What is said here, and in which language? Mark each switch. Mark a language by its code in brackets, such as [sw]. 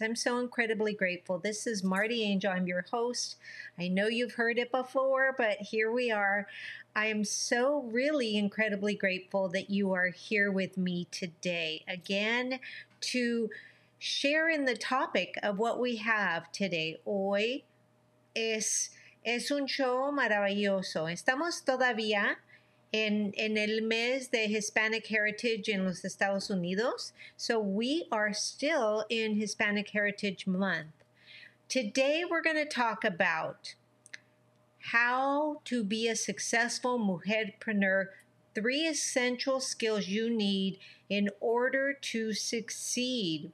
[en] I'm so incredibly grateful. This is Marty Angel. I'm your host. I know you've heard it before, but here we are. I am so really incredibly grateful that you are here with me today again to share in the topic of what we have today. [es] Hoy es un show maravilloso. Estamos todavía en el mes de Hispanic Heritage en los Estados Unidos. [en] So we are still in Hispanic Heritage Month. Today we're going to talk about how to be a successful mujerpreneur, three essential skills you need in order to succeed.